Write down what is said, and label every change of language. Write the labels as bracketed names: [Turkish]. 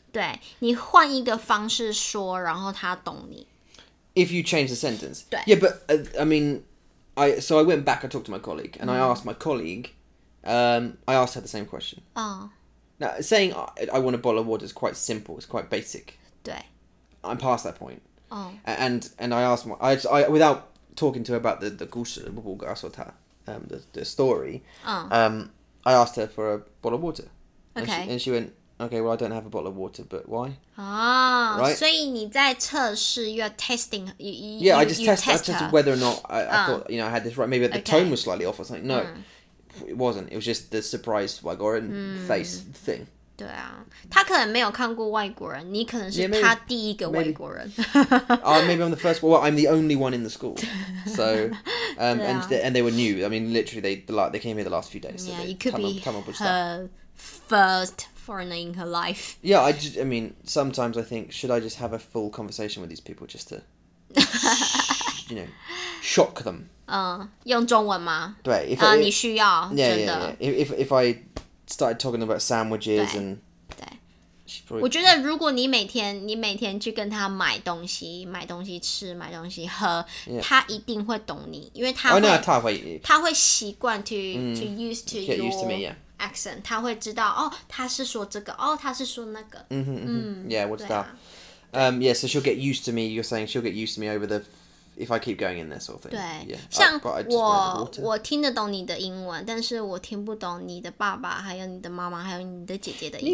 [Chinese] 对，你换一个方式说，然后他懂你。 [English] If you change the sentence. [Chinese] 对。 [English] Yeah, but I mean, so I went back. I talked to my colleague, and I asked my colleague. I asked her the same question. Oh. Now saying I want a bottle of water is quite simple. It's quite basic. [Chinese] 对。 [English] I'm past that point. Oh. And I asked my I without. Talking to her about the gusha, the story. I asked her for a bottle of water. Okay. And she went, okay, well, I don't have a bottle of water, but why? Oh, right? So you're testing. I just tested whether or not I thought, you know, I had this right. Maybe the tone was slightly off or something. No, it wasn't. It was just the surprise Waigoran face thing. [Chinese] 对啊，他可能没有看过外国人，你可能是他第一个外国人。 [English] maybe I'm the first. Well, I'm the only one in the school. So, and they were new. I mean, literally, they came here the last few days. Yeah, so you could come up with her that. First foreigner in her life. Yeah, I mean, sometimes I think, should I just have a full conversation with these people just to, you know, shock them? [Chinese] 用中文吗？对，你需要 [English] If I started talking about sandwiches and... [Chinese] 对。我觉得如果你每天去跟他买东西吃，买东西喝，他一定会懂你，因为他会，他会习惯 [English] to use to your accent, [Chinese] 他会知道，哦，他是说这个，哦，他是说那个。 [English] Yeah, what's that? So she'll get used to me, you're saying she'll get used to me over the... If I keep going in this sort of thing. [Chinese] 对 [English] yeah, [Chinese] 像 我听得懂你的英文，但是我听不懂你的爸爸，还有你的妈妈，还有你的姐姐的英文。